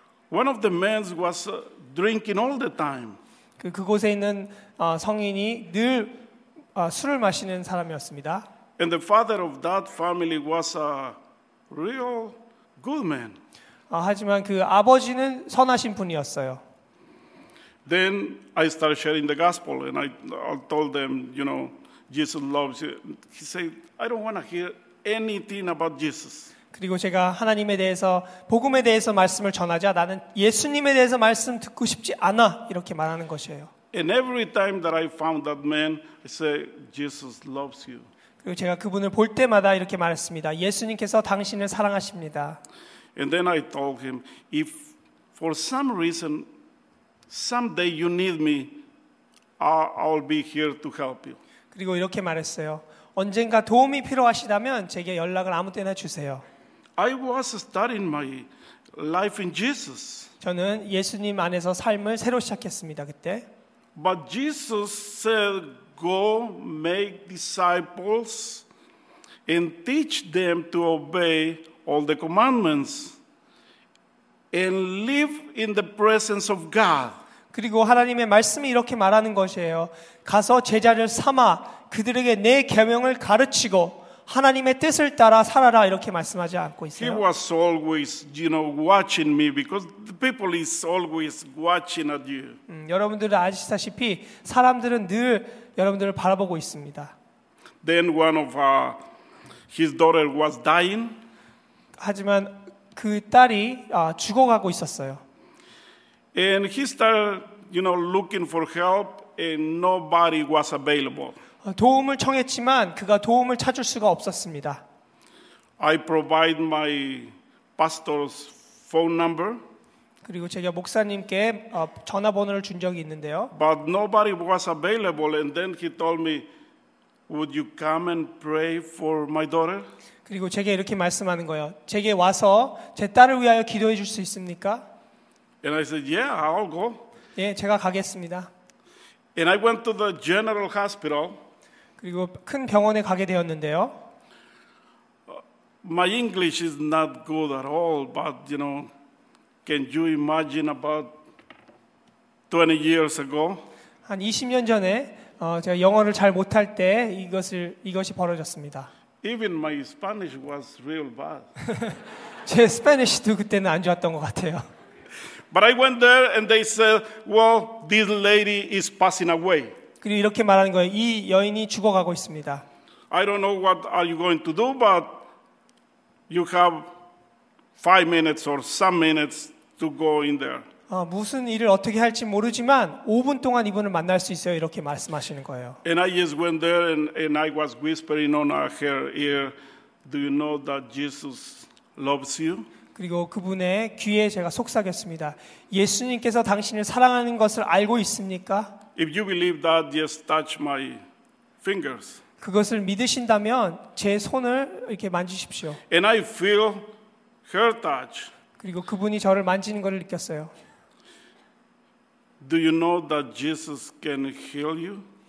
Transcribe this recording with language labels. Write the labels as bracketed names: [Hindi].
[English] One of the men was drinking all the time. [Korean] 그곳에 있는 성인이 늘 술을 마시는 사람이었습니다. [English] And the father of that family was a real good man. [Korean] 하지만 그 아버지는 선하신 분이었어요. [English] Then I started sharing the gospel and I told them, you know, Jesus loves you. He said, I don't want to hear anything about Jesus. [Korean] 그리고 제가 하나님에 대해서 복음에 대해서 말씀을 전하자 나는 예수님에 대해서 말씀 듣고 싶지 않아 이렇게 말하는 것이에요. [English] And every time that I found that man, I said, Jesus loves you. [Korean] 그리고 제가 그분을 볼 때마다 이렇게 말했습니다. 예수님께서 당신을 사랑하십니다. [English] And then I told him, if for some reason, someday you need me, I'll be here to help you. [Korean] 그리고 이렇게 말했어요. 언젠가 도움이 필요하시다면 제게 연락을 아무 때나 주세요. [English] I was starting my life in Jesus. [Korean] 저는 예수님 안에서 삶을 새로 시작했습니다. 그때. [English] But Jesus said, "Go make disciples and teach them to obey all the commandments and live in the presence of God." [Korean] 그리고 하나님의 말씀이 이렇게 말하는 것이에요. 가서 제자를 삼아 그들에게 내 계명을 가르치고 하나님의 뜻을 따라 살아라 이렇게 말씀하지 않고 있어요. [English] He was always, you know, watching me because the people is always watching at you. [Korean] 여러분들은 아시다시피 사람들은 늘 여러분들을 바라보고 있습니다. [English] Then one of his daughter was dying. [Korean] 하지만 그 딸이 죽어가고 있었어요. [English] And he started, you know, looking for help, and nobody was available. [Korean] 도움을 청했지만 그가 도움을 찾을 수가 없었습니다. [English] I provide my pastor's phone number. [Korean] 그리고 제가 목사님께 전화번호를 준 적이 있는데요. [English] But nobody was available, and then he told me, "Would you come and pray for my daughter?" [Korean] 그리고 제게 이렇게 말씀하는 거예요. 제게 와서 제 딸을 위하여 기도해 줄 수 있습니까? [English] And I said, "Yeah, I'll go." [Korean] 예, 제가 가겠습니다. [English] And I went to the general hospital. [Korean] 그리고 큰 병원에 가게 되었는데요. [English] My English is not good at all, but you know, can you imagine about 20 years ago? [Korean] 한 20년 전에 제가 영어를 잘 못할 때 이것이 벌어졌습니다. [English] Even my Spanish was real bad. [Korean] 제 스페니쉬도 그때는 안 좋았던 것 같아요. [English] But I went there and they said, "Well, this lady is passing away." [Korean] 그리고 이렇게 말하는 거예요. 이 여인이 죽어가고 있습니다. [English] I don't know what are you going to do, but you have 5 minutes or some minutes to go in there. [Korean] 무슨 일을 어떻게 할지 모르지만 5분 동안 이분을 만날 수 있어요. 이렇게 말씀하시는 거예요. [English] And I just went there and I was whispering on her ear, "Do you know that Jesus loves you?" [Korean] 그리고 그분의 귀에 제가 속삭였습니다. 예수님께서 당신을 사랑하는 것을 알고 있습니까? [English] If you believe that, just touch my fingers. [Korean] 그것을 믿으신다면 제 손을 이렇게 만지십시오. [English] And I feel her touch. [Korean] 그리고 그분이 저를 만지는 것을 느꼈어요. [English] Do you know that Jesus can heal you?